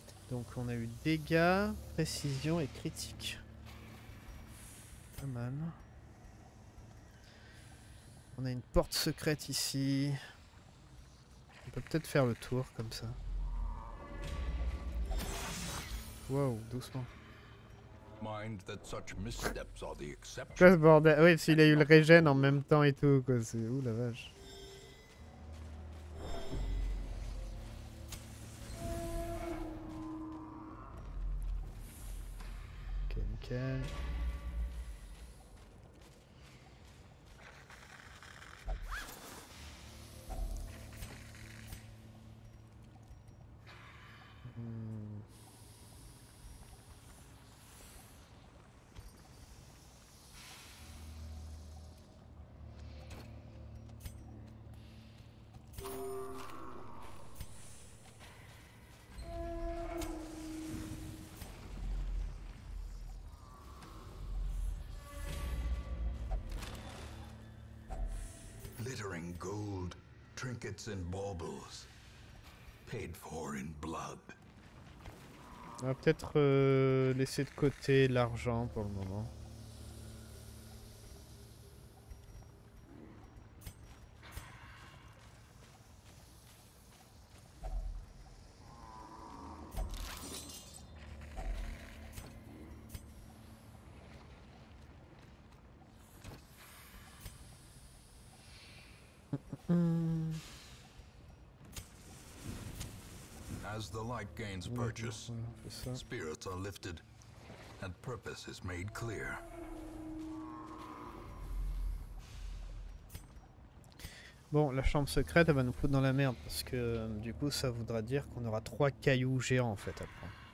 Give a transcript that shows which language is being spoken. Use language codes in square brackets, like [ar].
[fr] Donc on a eu dégâts, précision et critique. Pas mal. On a une porte secrète ici. On peut peut-être faire le tour comme ça. Wow, doucement. [en] Mind that such missteps are the exception. [fr] Quoi ce bordel ? Oui, s'il a eu le régène en même temps et tout, quoi. C'est... Ouh la vache. Ok, nickel. [en] Gold, trinkets and baubles, paid for in blood. [fr] On va peut-être laisser de côté l'argent pour le moment. [en] As the light gains purchase, spirits are lifted, and purpose is made clear. [fr] Bon, la chambre secrète, elle va nous foutre dans la merde, parce que du coup, ça voudra dire qu'on aura trois cailloux géants, en fait, après.